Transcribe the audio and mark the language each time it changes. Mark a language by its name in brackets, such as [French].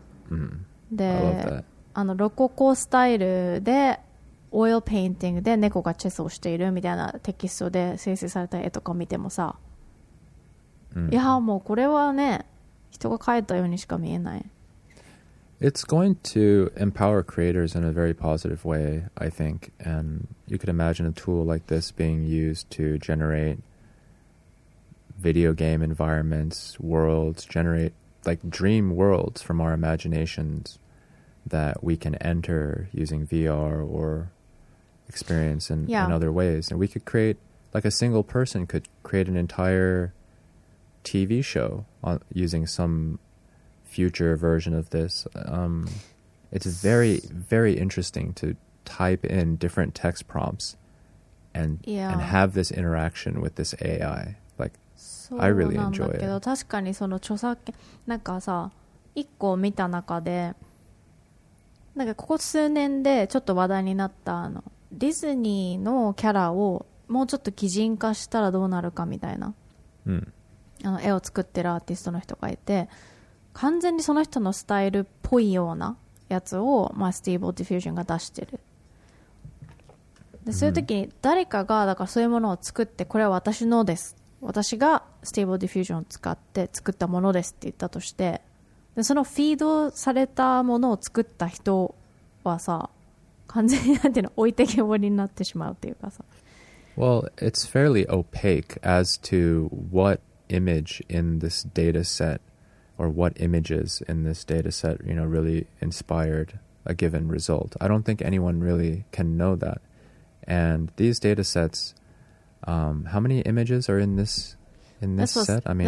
[Japanese] mm. で、あのロココスタイルでオイルペインティングで猫がチェスをしているみたいなテキストで生成された絵とか見てもさ、mm. いやもうこれはね、人が描いたようにしか見えない。 [English] It's going to empower creators in a very positive way, I think, and you could imagine a tool like this being used to generateVideo game environments, worlds, generate like dream worlds from our imaginations that we can enter using VR or experience in, yeah. in other ways. And we could create, like a single person could create an entire TV show on, using some future version of this. It's very, very interesting to type in different text prompts and,、 yeah. and have this interaction with this AI. [Japanese] そうなんだけど、確かにその著作権なんかさ、一個見た中でなんかここ数年でちょっと話題になった、あのディズニーのキャラをもうちょっと擬人化したらどうなるかみたいな、うん、あの絵を作ってるアーティストの人がいて、完全にその人のスタイルっぽいようなやつを、まあ、スティーブ・オーディフュージョンが出してる。でそういう時に誰かがだからそういうものを作って、これは私のです、私がスティーブルディフュージョンを使って作ったものですって言ったとして、でそのフィードされたものを作った人はさ、完全になんていうの、置いてけぼりになってしまうっていうかさ。 [English] Well, it's fairly opaque as to what image in this data set or what images in this data set, you know, really inspired a given result. I don't think anyone really can know that. And these data setsHow many images are in this set? I mean,